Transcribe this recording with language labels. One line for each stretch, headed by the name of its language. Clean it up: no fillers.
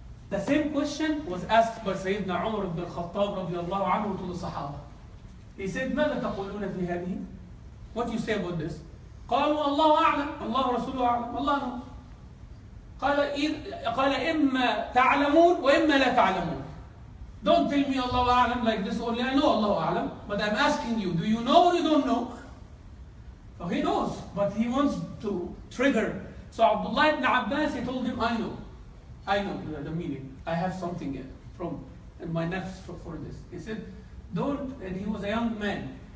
English: The same question was asked by Sayyidina Umar ibn Khattab radiallahu anhu to the Sahaba. He said,
Arabic: ماذا تقولون في هذه?
English: What you say about this?
Arabic: قالوا الله أعلم. الله رسوله أعلم. الله أعلم. قال إما تعلمون وإما لا تعلمون.
English: Don't tell me
Arabic: الله أعلم
English: like this only. I know الله أعلم. But I'm asking you, do you know or you don't know? So he knows, but he wants to trigger. So Abdullah ibn Abbas, he told him, I know the meaning. I have something from in my nafs for this. He said, don't, and he was a young man.